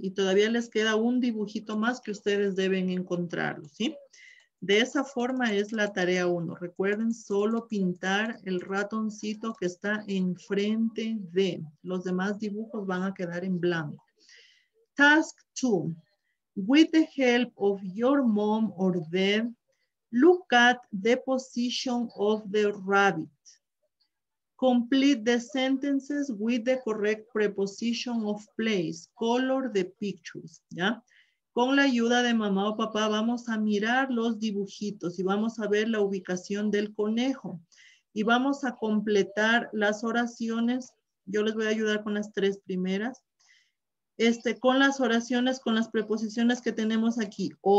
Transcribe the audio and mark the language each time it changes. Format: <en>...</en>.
<es>Y todavía les queda un dibujito más que ustedes deben encontrarlo, ¿sí? De esa forma es la tarea 1. Recuerden solo pintar el ratoncito que está enfrente de. Los demás dibujos van a quedar en blanco.</es> <en>Task 2. With the help of your mom or dad, look at the position of the rabbit. Complete the sentences with the correct preposition of place. Color the pictures, ¿ya?</en> <es>Con la ayuda de mamá o papá vamos a mirar los dibujitos y vamos a ver la ubicación del conejo. Y vamos a completar las oraciones. Yo les voy a ayudar con las tres primeras. Con las oraciones, con las preposiciones que tenemos aquí.</es>